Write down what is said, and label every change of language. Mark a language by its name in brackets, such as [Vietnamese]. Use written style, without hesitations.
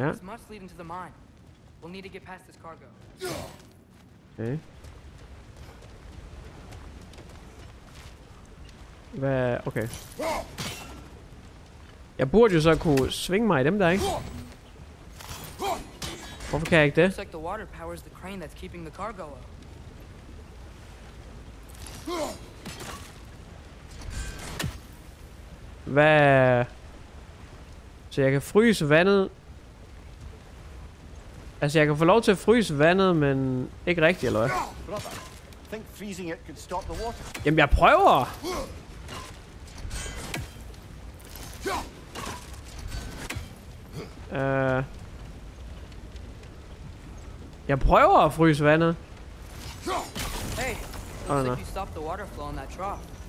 [English] There's much leading to the mine. We'll need to get past this cargo. Okay. [Danish] Hvad? Okay. Jeg burde jo så kunne svinge mig i dem der, ikke? Hvorfor kan jeg ikke det? [English] Looks like the water powers the crane that's keeping the cargo up. [Danish] Hvad? Så jeg kan fryse vandet. Altså jeg kan få lov til at fryse vandet, men ikke rigtigt, eller hvad? [English] Think freezing it could stop the water. [Danish] Jamen jeg prøver. Jeg prøver at fryse vandet. [English] Hey, looks like you stopped the water flow on that trough.